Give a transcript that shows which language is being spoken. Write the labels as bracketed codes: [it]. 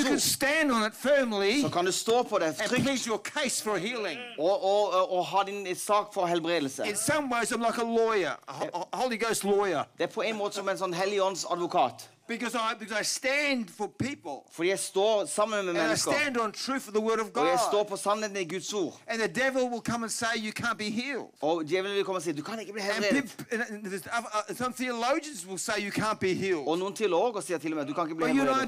[en] you can stand on it firmly, [no] så kan du stå på det trygt, [en] and please your case for healing, [no] og ha din sak for helbredelse. [en] In some ways, I'm like a lawyer, a Holy Ghost lawyer. [no] Det på en måte som en sånn Helligånds advokat. [en] Because I stand for people. [no] For jeg står sammen med mennesker. [en] And I stand on truth for the word of God. [no] Og jeg står på sannheten I Guds ord. [en] And the devil will come and say you can't be healed. [no] Og djevelen vil komme og si du kan ikke bli helbredet. [en] And some theologians will say you can't be healed. [no] Og noen teologer sier til og med du kan ikke bli helbredet.